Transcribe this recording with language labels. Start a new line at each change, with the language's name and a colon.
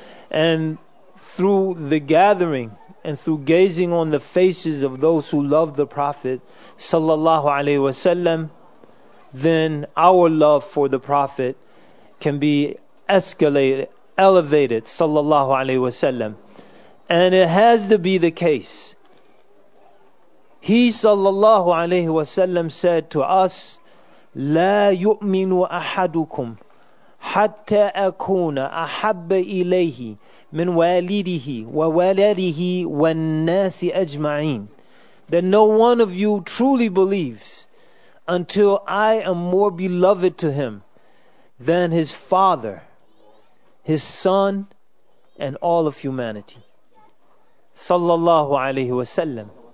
English: And through the gathering and through gazing on the faces of those who love the Prophet sallallahu alaihi wasallam, then our love for the Prophet can be escalated, elevated sallallahu alaihi wasallam. And it has to be the case. He sallallahu alaihi wasallam said to us,
Arabic: لا يؤمن أحدكم حتى أكون أحب إليه من والده وولده والناس أجمعين.
English: That no one of you truly believes until I am more beloved to him than his father, his son, and all of humanity.
Arabic: صلى الله عليه وسلم.